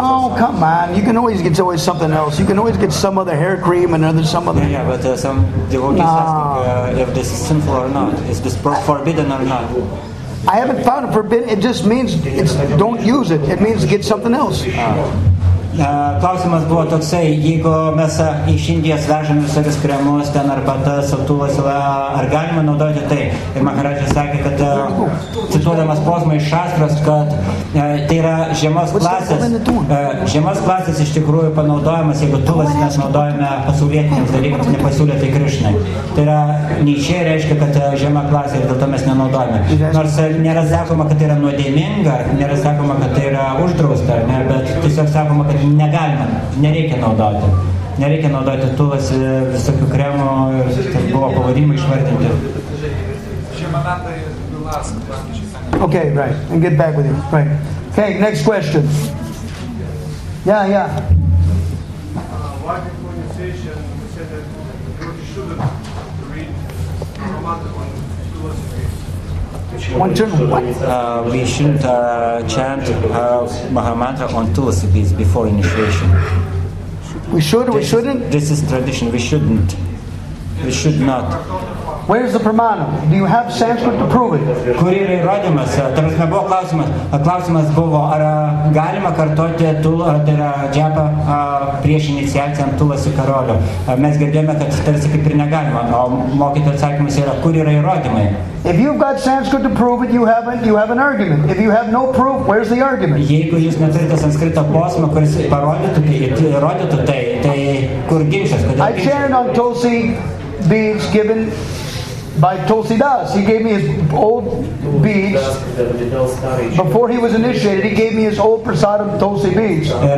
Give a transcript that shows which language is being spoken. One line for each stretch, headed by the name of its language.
English: Oh, come on. You can always get something else. You can always get some other hair cream and some other. Some devotees asking if this is sinful or not. Is this forbidden or not? I haven't found it forbidden. It just means don't use it. It means get something else.
Lithuanian: Klausimas buvo toksai, jeigu mes iš Indijos vežame visokius kremus, ten arbatas, autulas, ar galima naudoti tai? Ir Maharadžas sakė, kad cituodamas posmą iš Šastros, kad tai yra žemos klasės iš tikrųjų panaudojamas, jeigu tulas mes naudojame pasaulietiniams dalykams, nepasiūlėtai Krišnai. Tai yra niečia reiškia, kad žema klasė ir dėl to mes nenaudojame. Nors nėra sakoma, kad tai yra nuodėminga, nėra sakoma, kad tai yra uždrausta, ne, bet tiesiog sakoma, kad negalima, nereikia naudoti tulas visokių kremų ir buvo pavadimų išvardinti.
English: Okay, right, and get back with you. Right. Okay, next question. Yeah, yeah. Why did you say that you shouldn't read Ramadan on tulas? One turn. We shouldn't chant Mahamantra on Tulsi beads before initiation. We should or we shouldn't? This is tradition. We shouldn't. We should not. Where is the Pramana? Do you have Sanskrit to prove it?
Lithuanian: Kur yra įrodymas? Tarp nebuvo klausimas. Klausimas buvo, ar galima kartoti džiapą prieš iniciaciją ant Tulsi karolio? Mes girdėjome, kad tarsi kaip ir negalima. O mokyto atsakymas yra, kur yra įrodymai?
English: If you've got Sanskrit to prove it, you have an argument. If you have no proof, where's the argument?
Lithuanian: Jeigu jūs neturite sanskrito posmą, kuris parodytų tai kur ginčias?
English: I chant on Tulsi beads given by Tulsi Das. He gave me his old beads before he was initiated. He gave me his old prasadam Tulsi beads.